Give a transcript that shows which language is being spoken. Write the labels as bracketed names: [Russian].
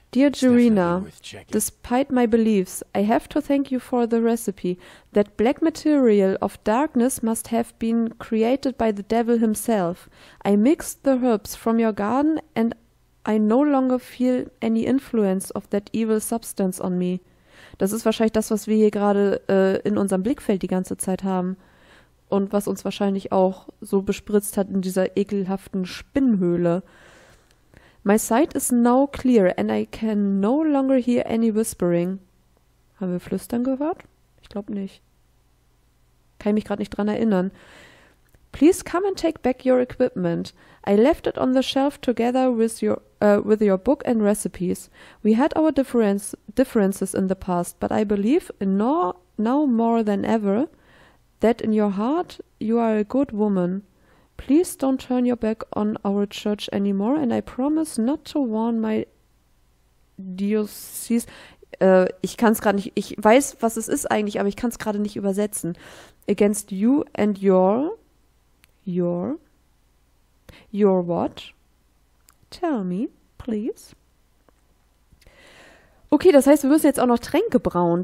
[English] Dear Jurina, despite my beliefs, I have to thank you for the recipe. That black material of darkness must have been created by the devil himself. I mixed the herbs from your garden and I no longer feel any influence of that evil substance on me. [German] Das ist wahrscheinlich das, was wir hier gerade in unserem Blickfeld die ganze Zeit haben. Und was uns wahrscheinlich auch so bespritzt hat in dieser ekelhaften Spinnhöhle. [English] My sight is now clear and I can no longer hear any whispering. [German] Haben wir Flüstern gehört? Ich glaube nicht. Kann ich mich gerade nicht dran erinnern. [English] Please come and take back your equipment. I left it on the shelf together with your book and recipes. We had our differences in the past, but I believe now more than ever that in your heart you are a good woman. Please don't turn your back on our church anymore and I promise not to warn my diocese. [German] Ich kann es gerade nicht, ich weiß, was es ist eigentlich, aber ich kann es gerade nicht übersetzen. [English] Against you and your what? Tell me, please. [German] Okay, das heißt, wir müssen jetzt auch noch Tränke brauen.